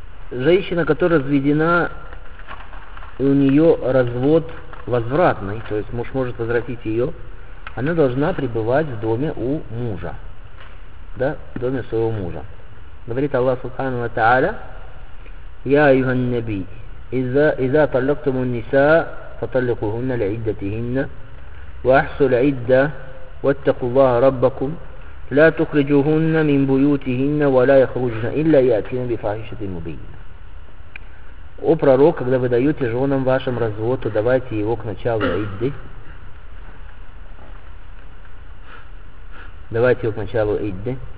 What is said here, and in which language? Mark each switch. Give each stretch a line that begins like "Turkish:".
Russian: Женщина, которая разведена, у нее развод возвратный, то есть муж может возвратить ее, она должна пребывать в доме у мужа. Да? В доме своего мужа. Говорит
Arabic: Аллах Субхану ва Тааля, «Я, айюхан наби, иза таллактуму ниса, فطلقوهن لعدتهن وأحصوا العدة واتقوا الله ربكم لا تخرجوهن من بيوتهن ولا يخرجن إلا يأتين بفاحشة مبينة.
Russian: О пророк, когда вы даете женам вашим развод, то давайте его к началу Идды. Давайте его к началу Идды.